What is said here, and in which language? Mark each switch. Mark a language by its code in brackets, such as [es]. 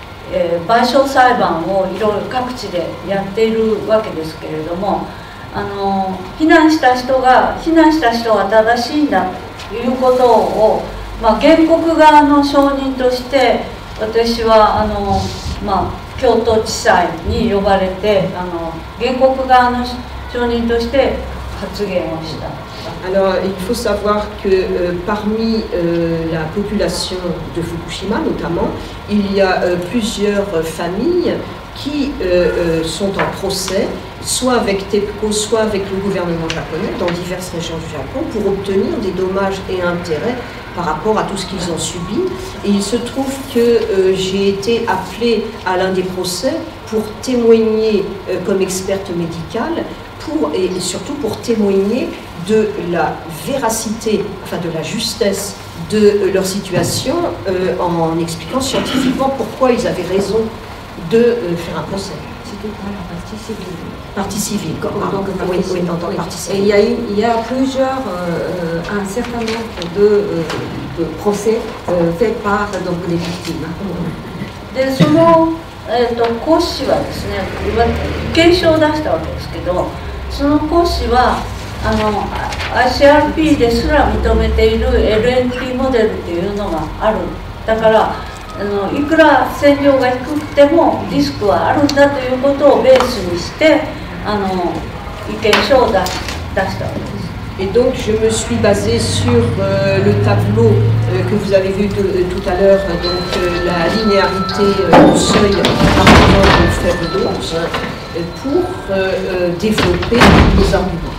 [ja] えー、賠償裁判をいろいろ各地でやっているわけですけれども、避難した人は正しいんだということを、まあ、原告側の証人として私はまあ、京都地裁に呼ばれて、原告側の証人として発言をした。 [fr] Alors, il faut savoir que parmi la population de Fukushima, notamment, il y a plusieurs familles qui sont en procès, soit avec TEPCO, soit avec le gouvernement japonais, dans diverses régions du Japon, pour obtenir des dommages et intérêts par rapport à tout ce qu'ils ont subi. Et il se trouve que j'ai été appelée à l'un des procès pour témoigner comme experte médicale, et surtout pour témoigner de la véracité, enfin de la justesse de leur situation en expliquant scientifiquement pourquoi ils avaient raison de faire un procès. C'était la partie civile. Partie civile. Et il y a plusieurs, un certain nombre de procès faits par donc, les victimes. Mm-hmm. [ja] で、その、講師はですね、警鐘を出したわけですけど、その講師は、ICRP ですら認めている LNP モデルというのがある。だから、いくら線量が低くてもリスクはあるんだということをベースにして、意見書を出したわけです。 [fr] Et donc, je me suis basée sur le tableau que vous avez vu tout à l'heure, donc la linéarité du seuil par rapport au faible dose, pour développer les arguments.